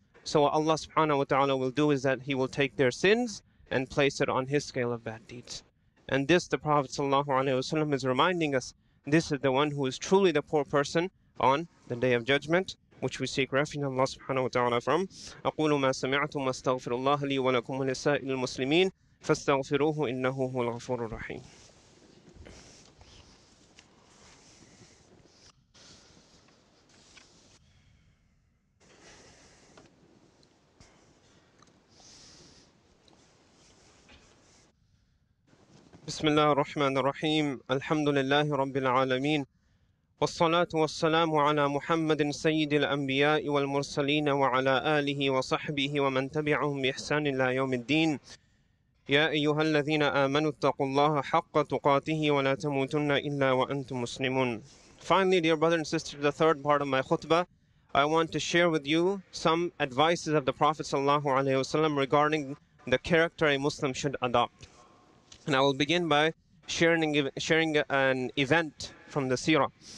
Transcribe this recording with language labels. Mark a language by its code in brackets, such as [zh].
[en] So what Allah subhanahu wa ta'ala will do is that He will take their sins and place it on His scale of bad deeds. And this the Prophet sallallahu alaihi wasallam is reminding us, this is the one who is truly the poor person on the Day of Judgment, which we seek refuge in Allah subhanahu wa ta'ala from. [ar] أقول ما سمعتم واستغفر الله لي ولكم ولسائر المسلمين فاستغفروه إنه هو الغفور الرحيم. بسم الله الرحمن الرحيم الحمد لله رب العالمين والصلاة والسلام على محمد سيد الأنبياء والمرسلين وعلى آله وصحبه ومن تبعهم بإحسان إلى يوم الدين يا أيها الذين آمنوا اتقوا الله حق تقاته ولا تموتن إلا وأنتم مسلمون. [en] Finally, dear brothers and sisters, the third part of my khutbah, I want to share with you some advices of the Prophet sallallahu alaihi wasallam regarding the character a Muslim should adopt. And I will begin by sharing an event from the seerah.